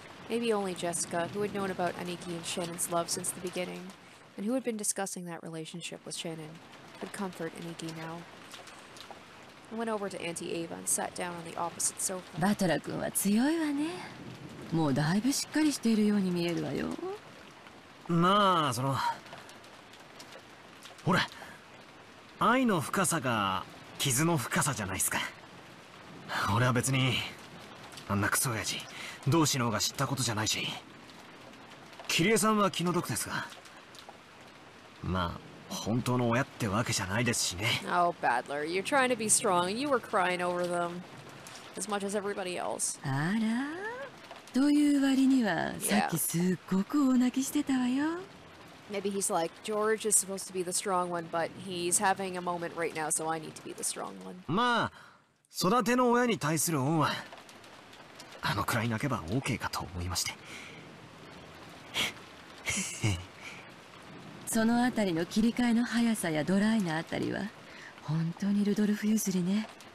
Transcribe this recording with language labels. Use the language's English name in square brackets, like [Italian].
[English] Maybe only Jessica, who had known about Aniki and Shannon's love since the beginning, and who had been discussing that relationship with Shannon, could comfort Aniki now. I went over to Auntie Ava and sat down on the opposite sofa. [Japanese] Batura-kun wa tsuyoi wa ne. もうだいぶしっかりしているように見えるわよ。まあそのほら、愛の深さが傷の深さじゃないっすか。俺は別にあんなクソ親父どうしのほうが知ったことじゃないし、キリエさんは気の毒ですが、まあ本当の親ってわけじゃないですしね。 [English] Oh, Badler, you're trying to be strong. You were crying over them as much as everybody else. [Japanese] あらという割には、さっきすっごく大泣きしてたわよ。 [English] Maybe he's like, George is supposed to be the strong one, but he's having a moment right now, so I need to be the strong one. [Japanese] まあ、育ての親に対する恩は、あのくらい泣けば OK かと思いまして。そのあたりの切り替えの速さやドライなあたりは、本当にルドルフ譲りね。